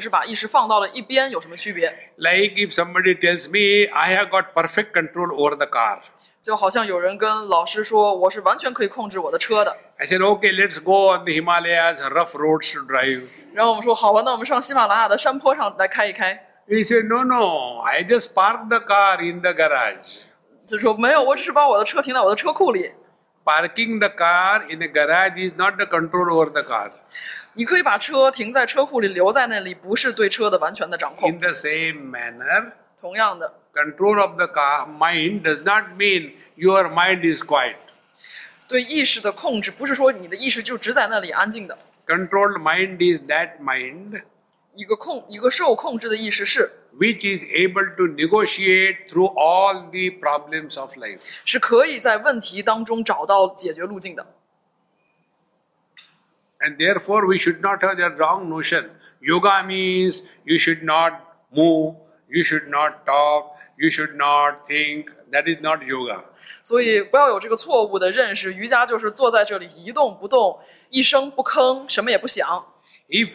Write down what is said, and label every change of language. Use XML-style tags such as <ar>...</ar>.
<zh>一个受控制的意识和我们只是把意识放到了一边有什么区别?</zh> <en>Like if somebody tells me, I have got perfect control over the car.</en> <zh>就好像有人跟老师说，我是完全可以控制我的车的。</zh> <en>I said, okay, let's go on the Himalayas, rough roads to drive.</en> <zh>然后我们说，好吧，那我们上喜马拉雅的山坡上来开一开。</zh> <en>He said, no, no, I just parked the car in the garage.</en> <zh>就说没有，我只是把我的车停在我的车库里。</zh> <en>Parking the car in the garage is not the control over the car.</en> <zh>你可以把车停在车库里，留在那里，不是对车的完全的掌控。</zh> <en>In the same manner.</en> <zh>同样的。</zh> <en>Control of the car, mind does not mean your mind is quiet.</en> <zh>对意识的控制不是说你的意识就只在那里安静的。</zh> <en>Controlled mind is that mind</en> <zh>一个受控制的意识是</zh> <en>which is able to negotiate through all the problems of life.</en> <zh>是可以在问题当中找到解决路径的。</zh> <en>And therefore we should not have that wrong notion. Yoga means you should not move, you should not talk, you should not think, that is not yoga.</en> <zh>所以不要有这个错误的认识，瑜伽就是坐在这里一动不动，一声不吭，什么也不想。</zh> <en>If</en>